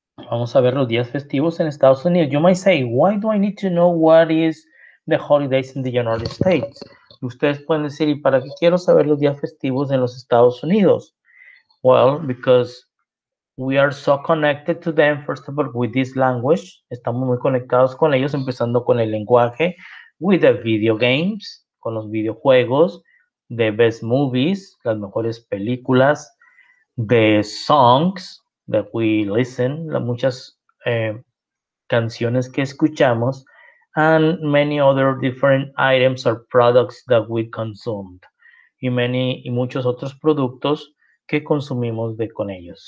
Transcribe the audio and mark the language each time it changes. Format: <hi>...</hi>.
<es>Vamos a ver los días festivos en Estados Unidos.</es> <en>You might say, why do I need to know what is the holidays in the United States?</en> <es>Ustedes pueden decir, ¿y para qué quiero saber los días festivos en los Estados Unidos?</es> <en>Well, because we are so connected to them, first of all, with this language.</en> <es>Estamos muy conectados con ellos, empezando con el lenguaje,</es> <en>with the video games,</en> <es>con los videojuegos,</es> <en>the best movies,</en> <es>las mejores películas,</es> <en>the songs that we listen,</en> <es>muchas canciones que escuchamos,</es> <en>and many other different items or products that we consumed,</en> <es>y muchos otros productos que consumimos de con ellos.</es>